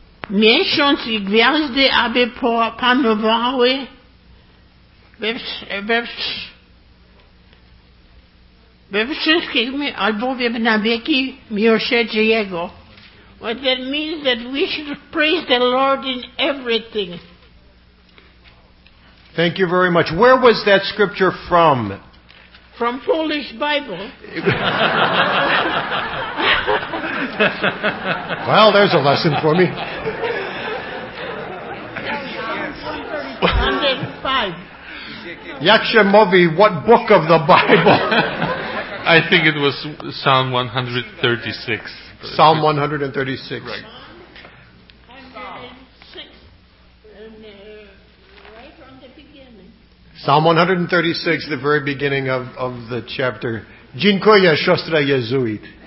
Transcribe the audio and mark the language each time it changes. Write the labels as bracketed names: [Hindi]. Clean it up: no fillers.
[Polish] Miesiąc i gwiazdy, aby panowały we wszystkich, albowiem na wieki miłosierdzie Jego. [English] What that means that we should praise the Lord in everything. Thank you very much. Where was that scripture from? From Polish Bible. Well, there's a lesson for me. 105. [Polish] Jak się mówi, [English] what book of the Bible? I think it was Psalm 136. Psalm 136. Right. Psalm 136, the very beginning of the chapter. [Polish] Dziękuję, siostra jezuit.